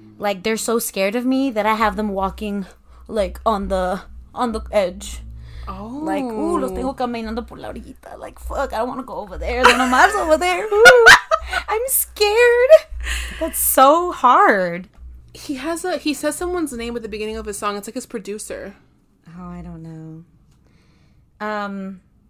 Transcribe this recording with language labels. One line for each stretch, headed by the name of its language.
English: Like, they're so scared of me that I have them walking, like, on the edge. Oh.
Spanish: Like, ooh, los tengo caminando por la orillita.
English: Like, fuck, I don't want to go over there. Don Omar's over there. I'm scared. That's so hard. He says someone's name at the beginning of his song. It's like his producer. Oh, I don't know.